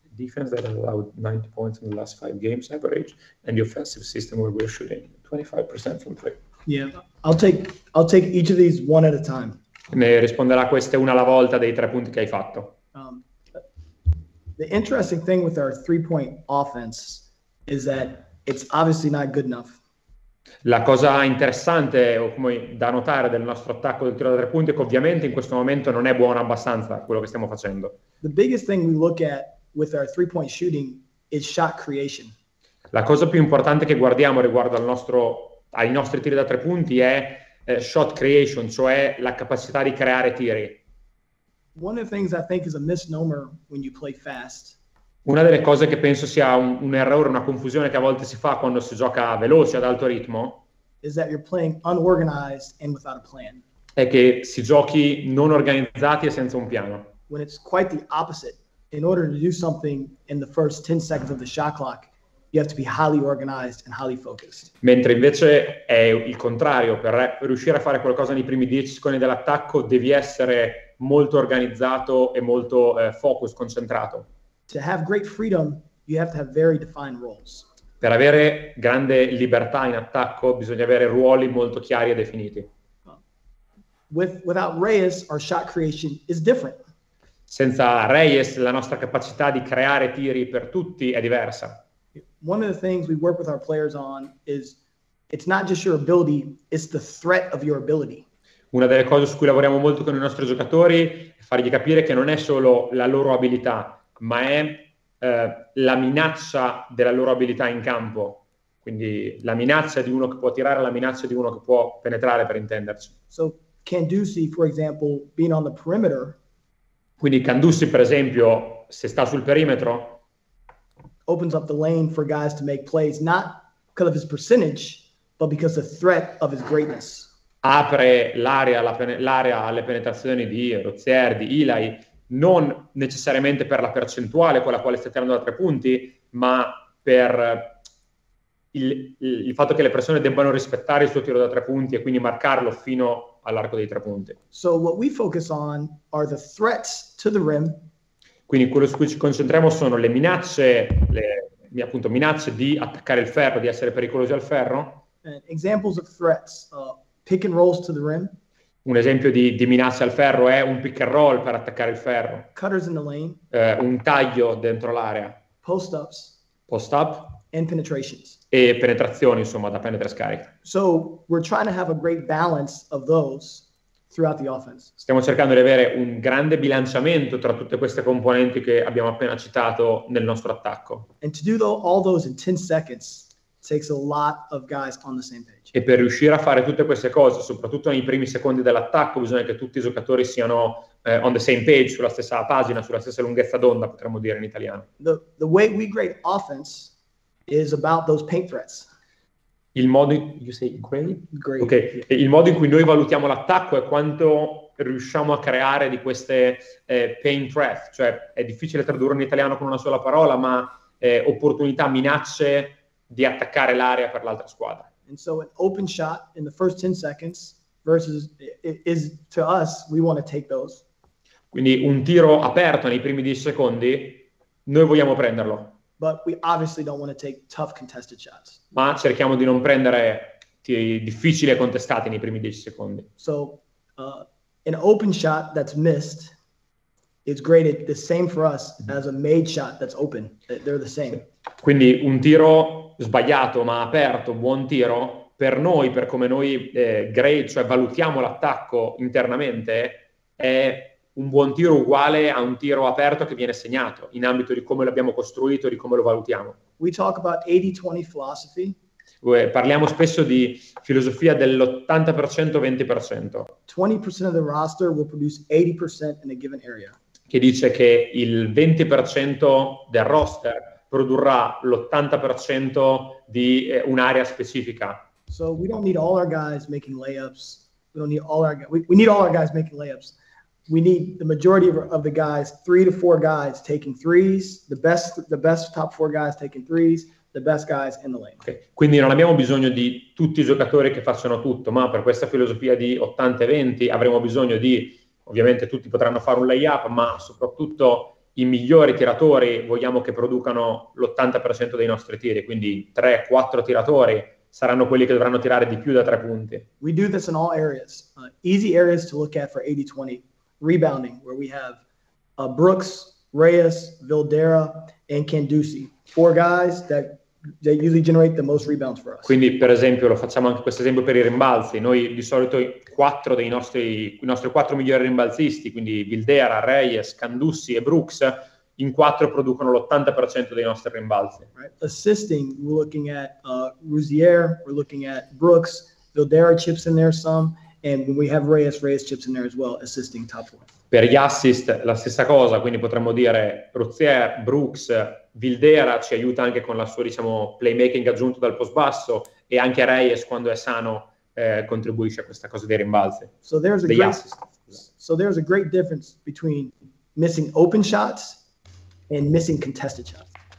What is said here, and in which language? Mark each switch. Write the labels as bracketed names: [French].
[English] defense that allowed 90 points in the last five games average, and the offensive system where we're shooting 25% from three. Yeah, I'll take each of these one at a time. [Italian] Ne risponderà queste una alla volta dei tre punti che hai fatto. [English] The interesting thing with our three-point offense is that it's obviously not good enough. [Italian] La cosa interessante o come da notare del nostro attacco del tiro da tre punti è che ovviamente in questo momento non è buono abbastanza quello che stiamo facendo. [English] The biggest thing we look at with our three-point shooting is shot creation. [Italian] La cosa più importante che guardiamo riguardo al nostro ai nostri tiri da tre punti è shot creation, cioè la capacità di creare tiri. [English] One of the things I think is a misnomer when you play fast. [Italian] Una delle cose che penso sia un errore, una confusione che a volte si fa quando si gioca veloce, ad alto ritmo, [English] is that you're playing unorganized and without a plan. [Italian] È che si giochi non organizzati e senza un piano. [English] When it's quite the opposite. In order to do something in the first 10 seconds of the shot clock, you have to be highly organized and highly focused. [Italian] Mentre invece è il contrario, per riuscire a fare qualcosa nei primi 10 secondi dell'attacco devi essere molto organizzato e molto focus, concentrato. [English] To have great freedom, you have to have very defined roles. [Italian] Per avere grande libertà in attacco bisogna avere ruoli molto chiari e definiti. [English] Without Reyes, our shot creation is different. [Italian] Senza Reyes, la nostra capacità di creare tiri per tutti è diversa. [English] One of the things we work with our players on is it's not just your ability, it's the threat of your ability. [Italian] Una delle cose su cui lavoriamo molto con i nostri giocatori è fargli capire che non è solo la loro abilità, ma è la minaccia della loro abilità in campo. Quindi la minaccia di uno che può tirare, la minaccia di uno che può penetrare, per intenderci. [English] So Candusi, for example, being on the perimeter. [Italian] Quindi Candusi, per esempio, se sta sul perimetro, [English] opens up the lane for guys to make plays, not because of his percentage, but because the threat of his greatness. [Italian] Apre l'area, l'area alle penetrazioni di Rozier, di Eli, non necessariamente per la percentuale con la quale sta tirando da tre punti, ma per il fatto che le persone debbano rispettare il suo tiro da tre punti e quindi marcarlo fino all'arco dei tre punti. [English] So what we focus on are the threats to the rim. [Italian] Quindi quello su cui ci concentriamo sono le minacce, appunto minacce di attaccare il ferro, di essere pericolosi al ferro. [English] Examples of threats, pick and rolls to the rim. [Italian] Un esempio di minacce al ferro è un pick and roll per attaccare il ferro. [English] Cutters in the lane. [Italian] Un taglio dentro l'area. [English] Post-ups. [Italian] Post-up. [English] And penetrations. [Italian] E penetrazioni, insomma, da penetra scarica. [English] So we're trying to have a great balance of those throughout the offense. [Italian] Stiamo cercando di avere un grande bilanciamento tra tutte queste componenti che abbiamo appena citato nel nostro attacco. [English] And to do all those in 10 seconds takes a lot of guys on the same page. [Italian] E per riuscire a fare tutte queste cose, soprattutto nei primi secondi dell'attacco, bisogna che tutti i giocatori siano [English] on the same page, [Italian] sulla stessa pagina, sulla stessa lunghezza d'onda, potremmo dire in italiano. [English] The way we grade offense is about those paint threats. [Italian] Il modo in, [English] you say great? Great. Okay. Yeah. [Italian] Il modo in cui noi valutiamo l'attacco è quanto riusciamo a creare di queste paint threats, cioè è difficile tradurre in italiano con una sola parola, ma opportunità, minacce di attaccare l'area per l'altra squadra. [English] And so an open shot in the first 10 seconds versus is to us we want to take those. [Italian] Quindi un tiro aperto nei primi 10 secondi noi vogliamo prenderlo. [English] But we obviously don't want to take tough contested shots. [Italian] Ma cerchiamo di non prendere difficili contestati nei primi 10 secondi. [English] So an open shot that's missed is graded the same for us as a made shot that's open. They're the same. [Italian] Quindi un tiro sbagliato ma aperto, buon tiro, per noi, per come noi grade, cioè valutiamo l'attacco internamente, è un buon tiro uguale a un tiro aperto che viene segnato in ambito di come l'abbiamo costruito, di come lo valutiamo. [English] We talk about 80-20 philosophy. [Italian] Parliamo spesso di filosofia dell'80%-20%. [English] 20% of the roster will produce 80% in a given area. [Italian] Che dice che il 20% del roster produrrà l'80% di un'area specifica. [English] So we don't need all our guys making layups. We need all our guys making layups. We need the majority of the guys, 3 to 4 guys taking threes, the best top 4 guys taking threes, the best guys in the lane. Okay. [Italian] Quindi non abbiamo bisogno di tutti i giocatori che facciano tutto, ma per questa filosofia di 80-20 avremo bisogno di, ovviamente tutti potranno fare un layup, ma soprattutto i migliori tiratori vogliamo che producano l'80% dei nostri tiri, quindi 3-4 tiratori saranno quelli che dovranno tirare di più da tre punti. [English] We do this in all areas. Easy areas to look at for 80-20. Rebounding, where we have Brooks, Reyes, Vildera, and Candusi. Four guys that usually generate the most rebounds for us. [Italian] Quindi, per esempio, lo facciamo anche questo esempio per i rimbalzi. Noi, di solito, quattro dei nostri, i nostri quattro migliori rimbalzisti, quindi Vildera, Reyes, Candusi e Brooks, in quattro producono l'80% dei nostri rimbalzi. [English] Right. Assisting, we're looking at Ruzier, we're looking at Brooks, Vildera chips in there some, and when we have Reyes, Reyes chips in there as well, assisting top four. [Italian] Per gli assist, la stessa cosa, quindi potremmo dire Ruzier, Brooks, Vildera ci aiuta anche con la sua, diciamo, playmaking aggiunto dal post basso, e anche Reyes, quando è sano, contribuisce a questa cosa dei rimbalzi. [English] So there's, so there's a great difference between missing open shots and missing contested shots.